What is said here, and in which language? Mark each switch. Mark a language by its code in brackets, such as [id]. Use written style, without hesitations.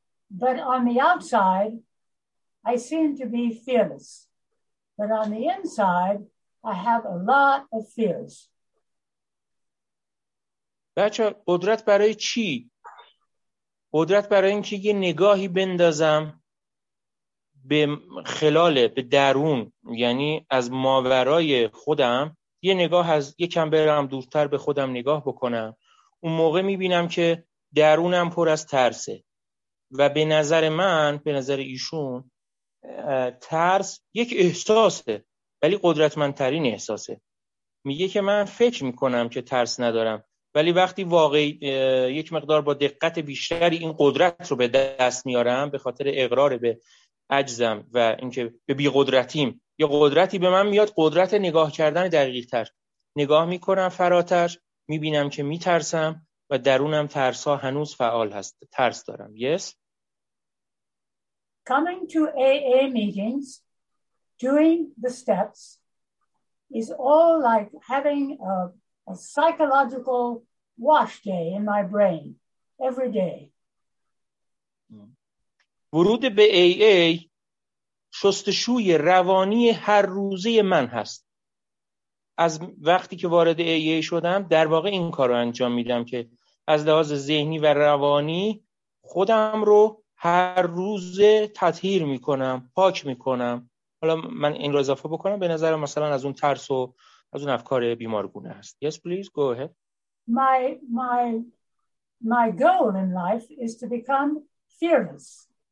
[en] But on the outside, I seem to be fearless. But on the inside, I have a lot of fears. [fa] بچه قدرت برای چی؟ قدرت برای اینکه یه نگاهی بندازم به خلال، به درون، یعنی از ماورای خودم یه نگاه، از یه کم برم دورتر به خودم نگاه بکنم، اون موقع میبینم که درونم پر از ترسه، و به نظر من، به نظر ایشون، ترس یک احساسه ولی قدرتمندترین احساسه. میگه که من فکر میکنم که ترس ندارم، ولی وقتی واقعی یک مقدار با دقت بیشتری این قدرت رو به دست میارم، به خاطر اقرار به عجزم و اینکه به بیقدرتیم، یه قدرتی به من میاد، قدرت نگاه کردن دقیق تر. نگاه میکنم فراتر، میبینم که میترسم و درونم ترسا هنوز فعال هست، ترس دارم. [en] Yes. Coming to AA meetings, doing the steps, is all like having a psychological wash day in my brain every day. [fa] ورود به AA شستشوی روانی هر روزه من هست. از وقتی که وارد AA شدم در واقع این کار رو انجام میدم که از لحاظ ذهنی و روانی خودم رو هر روز تطهیر میکنم، پاک میکنم. حالا من این رو اضافه بکنم، به نظرم مثلا از اون ترس و از اون افکار بیمارگونه هست. [en] Yes, please, go ahead. My goal in life is to become fearless.